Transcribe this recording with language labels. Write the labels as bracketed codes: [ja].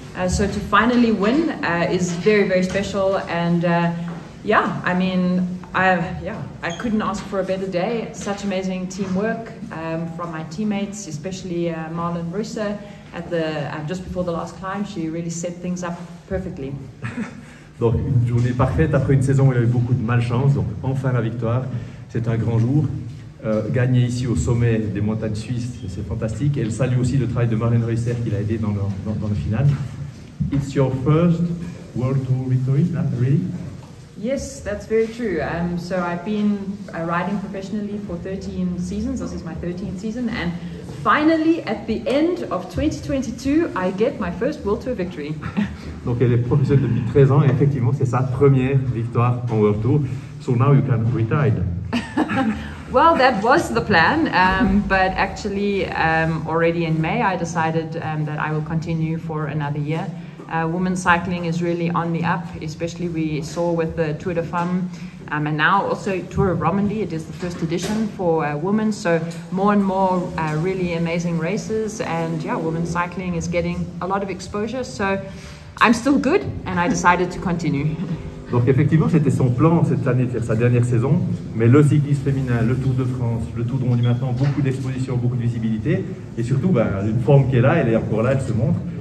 [en] So to finally win is very, very special. And yeah, I mean, I couldn't ask for a better day. Such amazing teamwork from my teammates, especially Marlen Reusser at the just before the last climb. She really set things up perfectly. [fr] Donc une journée parfaite après une saison où il avait beaucoup de malchance. Donc enfin la victoire, c'est un grand jour. Gagner ici au sommet des montagnes suisses, c'est fantastique. Elle salue aussi le travail de Marlen Reusser qui l'a aidé dans le final. [en] It's your first World Tour victory, not really? Yes, that's very true. So I've been riding professionally for 13 seasons. This is my 13th season. And finally, at the end of 2022, I get my first World Tour victory. [fr] Donc elle est professionnelle depuis 13 ans et effectivement, c'est sa première victoire en World Tour. [en] So now you can retire. Well, that was the plan, but actually already in May, I decided that I will continue for another year. Women's cycling is really on the up, especially we saw with the Tour de Femme and now also Tour of Romandie. It is the first edition for women, so more and more really amazing races, and yeah, women's cycling is getting a lot of exposure, so I'm still good and I decided to continue. [fr] Donc effectivement, c'était son plan cette année de faire sa dernière saison, mais le cyclisme féminin, le Tour de France, le Tour de Romandie maintenant, beaucoup d'exposition, beaucoup de visibilité, et surtout une forme qui est là, elle est encore là, elle se montre.